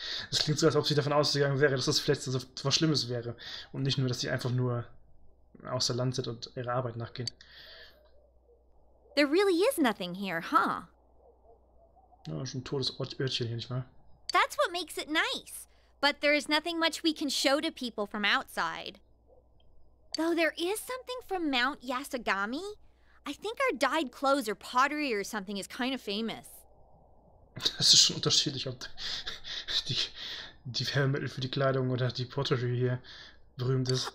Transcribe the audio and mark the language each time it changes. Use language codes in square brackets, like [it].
[de] Das klingt so, als ob sie davon ausgegangen wäre, dass das vielleicht so was Schlimmes wäre. Und nicht nur, dass sie einfach nur außer Land sind und ihrer Arbeit nachgehen. [en] There really is nothing here, huh? [de] Ja, schon ein totes Örtchen hier, nicht wahr? [en] That's what makes it nice. But there is nothing much we can show to people from outside. Though there is something from Mount Yasagami. I think our dyed clothes or pottery or something is kind of famous. [de] Das ist schon unterschiedlich, ob die Färbemittel für die Kleidung oder die Pottery hier berühmt ist.